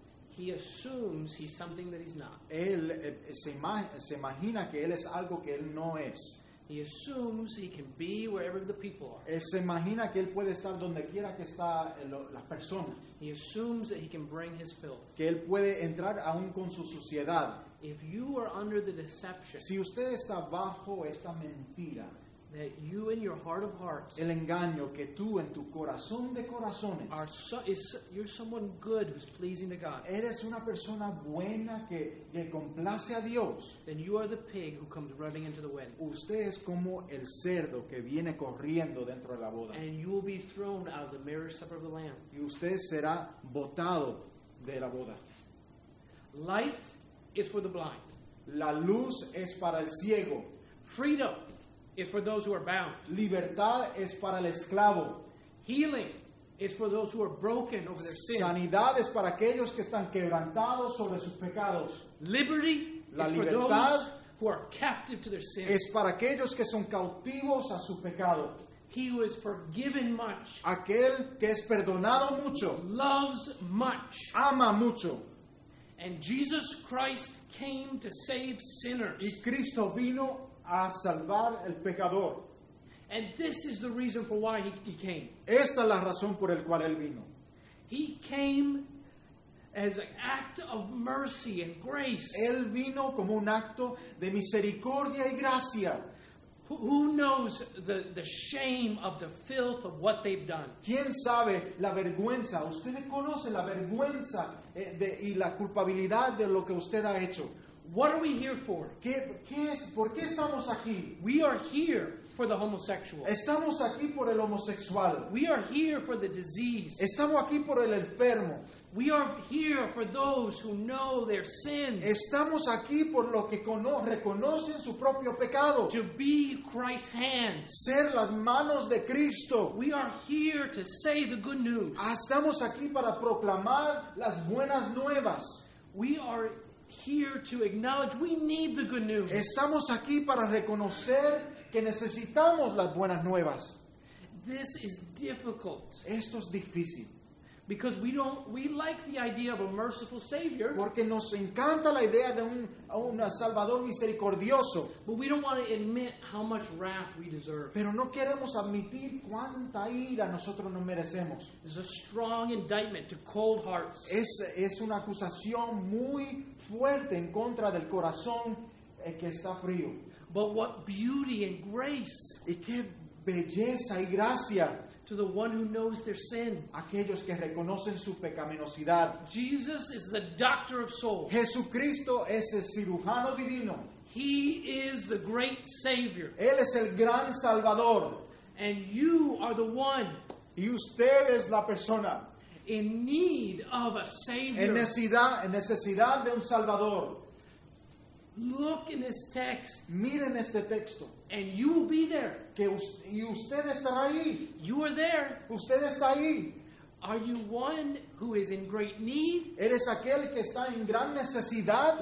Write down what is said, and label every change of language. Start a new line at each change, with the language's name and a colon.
English: he assumes he's something that he's not.
Spanish: Él se imagina que él es algo que él no es.
English: He assumes he can be wherever the people are.
Spanish: Se imagina que él puede estar donde quiera que está las personas.
English: He assumes that he can bring his filth.
Spanish: Que él puede entrar aún con su suciedad.
English: If you are under the deception,
Spanish: si usted está bajo esta mentira,
English: that you in your heart of hearts,
Spanish: el engaño que tú en tu corazón de corazones,
English: you're someone good who's pleasing to God.
Spanish: Eres una persona buena que complace a Dios.
English: Then you are the pig who comes running into the wedding.
Spanish: Usted es como el cerdo que viene corriendo dentro de la boda.
English: And you will be thrown out of the marriage supper of the Lamb.
Spanish: Y usted será botado de la boda.
English: Light is for the blind.
Spanish: La luz es para el ciego.
English: Freedom is for those who are bound.
Spanish: Libertad es para el esclavo.
English: Healing is for those who are broken over their sin.
Spanish: Sanidad es para aquellos que están quebrantados sobre sus pecados.
English: Liberty
Spanish: La
English: is
Spanish: libertad
English: for those who are captive to their sin.
Spanish: Es para aquellos que son cautivos a su pecado.
English: He who is forgiven much.
Spanish: Aquel que es perdonado mucho.
English: Loves much.
Spanish: Ama mucho.
English: And Jesus Christ came to save sinners.
Spanish: Y Cristo vino a salvar el pecador.
English: And this is the reason for why he came.
Spanish: Esta es la razón por el cual él vino.
English: He came as an act of mercy and grace.
Spanish: Él vino como un acto de misericordia y gracia.
English: Who knows the shame of the filth of what they've done?
Spanish: ¿Quién sabe la vergüenza? ¿Ustedes conocen la vergüenza de y la culpabilidad de lo que usted ha hecho?
English: What are we here for?
Spanish: ¿Qué es? ¿Por qué estamos aquí?
English: We are here for the homosexual.
Spanish: Estamos aquí por el homosexual.
English: We are here for the disease.
Spanish: Estamos aquí por el enfermo.
English: We are here for those who know their sin.
Spanish: Estamos aquí por lo que reconocen su propio pecado.
English: To be Christ's hand.
Spanish: Ser las manos de Cristo.
English: We are here to say the good news.
Spanish: Estamos aquí para proclamar las buenas nuevas.
English: We are here to acknowledge we need the good news.
Spanish: Estamos aquí para reconocer que necesitamos las buenas nuevas.
English: This is difficult.
Spanish: Esto es difícil.
English: Because we like the idea of a merciful Savior.
Spanish: Porque nos encanta la idea de un Salvador misericordioso.
English: But we don't want to admit how much wrath we deserve.
Spanish: Pero no queremos admitir cuánta ira nosotros nos merecemos.
English: It's a strong indictment to cold hearts.
Spanish: Es una acusación muy fuerte en contra del corazón que está frío.
English: But what beauty and grace.
Spanish: Y qué belleza y gracia.
English: To the one who knows their sin.
Spanish: Aquellos que reconocen su pecaminosidad.
English: Jesus is the doctor of souls.
Spanish: Jesucristo es el cirujano divino.
English: He is the great Savior.
Spanish: Él es el gran Salvador.
English: And you are the one.
Spanish: Y usted es la persona.
English: In need of a Savior.
Spanish: En necesidad de un Salvador.
English: Look in this text.
Spanish: Miren este texto.
English: And you will be there.
Spanish: Y usted estará ahí.
English: You are there.
Spanish: Usted está ahí.
English: Are you one who is in great need?
Spanish: Eres aquel que está en gran necesidad.